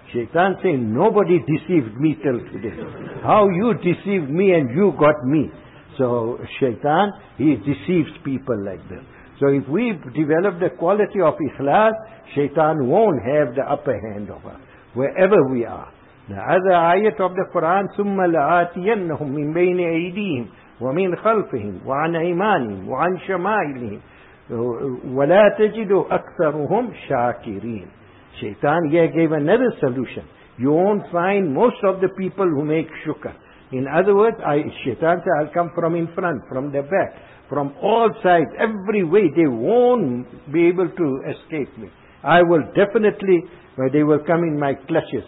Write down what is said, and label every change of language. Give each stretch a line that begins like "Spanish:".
English: Shaitan said, nobody deceived me till today. How you deceived me and you got me. So Shaitan, he deceives people like this. So if we develop the quality of ikhlas, Shaitan won't have the upper hand of us, wherever we are. The other ayat of the Quran,
Arabic: ثُمَّ لَآتِيَنَّهُمْ مِنْ بَيْنِ أَيْدِيهِمْ وَمِنْ خَلْفِهِمْ وَعَنْ أَيْمَانِهِمْ وَعَنْ شَمَائِلِهِمْ وَلَا تَجِدُ أَكْثَرُهُمْ شَاكِرِينَ.
English: Shaitan here gave another solution. You won't find most of the people who make shukr. In other words, Shaitan said, I'll come from in front, from the back, from all sides, every way, they won't be able to escape me. I will definitely, they will come in my clutches.